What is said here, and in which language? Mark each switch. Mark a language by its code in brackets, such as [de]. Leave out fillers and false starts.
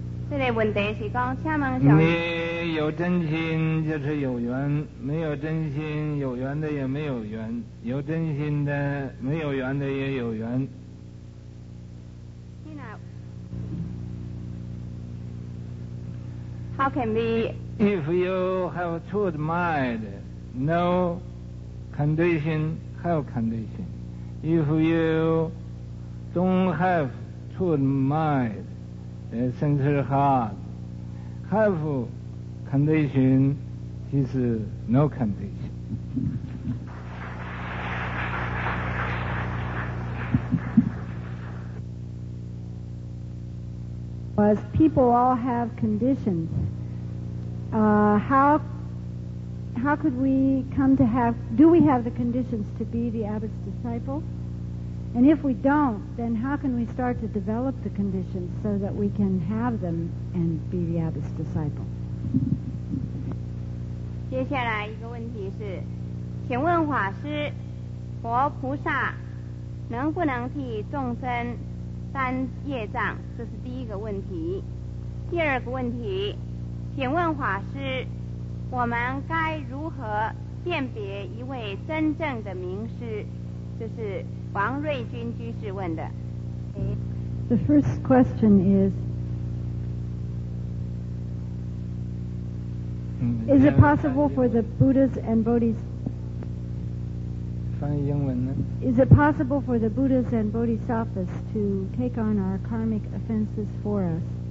[zh] 这里问题是说，你有真心就是有缘，没有真心，有缘的也没有缘；有真心的，没有缘的也有缘。 [en] How can we? If you have truth mind, no condition have condition. If you don't have truth mind. Sincere heart, have condition, is no condition. As people all have conditions, how could we come to have, do we have the conditions to be the abbot's disciple? And if we don't, then how can we start to develop the conditions so that we can have them and be the abbot's disciple? [zh] 接下来一个问题是，请问法师，佛菩萨能不能替众生担业障？这是第一个问题。第二个问题，请问法师，我们该如何辨别一位真正的名师？就是王瑞君居士问的。 [en] The first question is, is it possible for the Buddhas and Bodhis? [zh] 翻译英文呢 [en] ？Is it possible for the Buddhas and Bodhisattvas to take on our karmic offenses for us?